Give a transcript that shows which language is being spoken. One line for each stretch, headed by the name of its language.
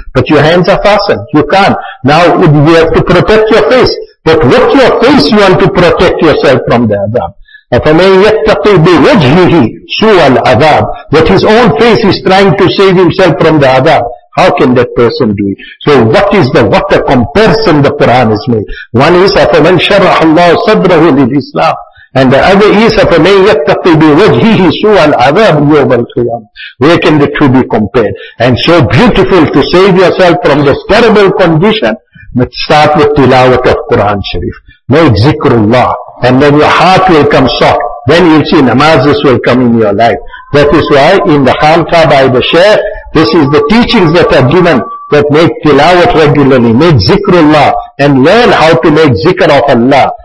English: But your hands are fastened. You can't. Now, you have to protect your face. But with your face, you want to protect yourself from the azab.
Arabic: فَمَنْ يَتَّقِي بِوَجْهِهِ سُوَ الْعَذَابِ,
English: that his own face is trying to save himself from the azab. How can that person do it? So what is the, what a comparison the Quran has made. One is,
Arabic: فَمَنْ شَرَّحَ اللَّهُ صَدْرَهُ لِلْإِسْلَامِ.
English: And the other is,
Arabic: فَمَنْ يَتَّقِي بِوَجْهِهِ سُوَ الْعَذَابِ يَوْمَ الْقِيَامِ.
English: Where can the two be compared? And so beautiful to save yourself from this terrible condition, but start with tilawat of Quran Sharif. Make zikrullah. And then your heart will come soft. Then you'll see namazes will come in your life. That is why in the Khanqa by the Shaykh, this is the teachings that are given, that make tilawat regularly, make zikrullah, and learn how to make zikr of Allah.